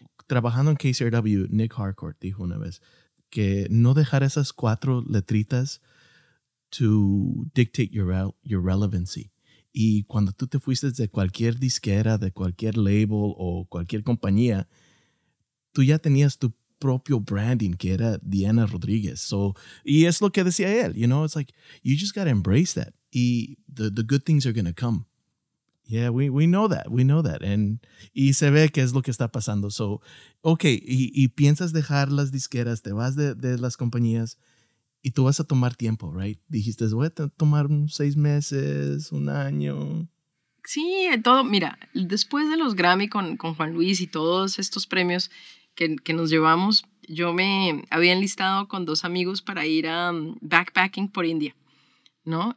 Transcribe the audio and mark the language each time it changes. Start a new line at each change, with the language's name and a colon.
Spanish: Trabajando en KCRW, Nick Harcourt dijo una vez que no dejar esas 4 letritas
English: to dictate your relevancy.
Spanish: Y cuando tú te fuiste de cualquier disquera, de cualquier label o cualquier compañía, tú ya tenías tu propio branding, que era Diana Rodríguez.
English: So,
Spanish: y es lo que decía él,
English: you know, it's like, you just got to embrace that. Y the good things are going to come. Yeah, we know that, we know that.
Spanish: And, y se ve qué es lo que está pasando. So, okay, y piensas dejar las disqueras, te vas de las compañías, y tú vas a tomar tiempo, right? Dijiste, voy a tomar 6 meses, 1 año. Sí, todo. Mira, después de los Grammy con Juan Luis y todos estos premios que nos llevamos, yo me había enlistado con 2 amigos para ir a backpacking por India, ¿no?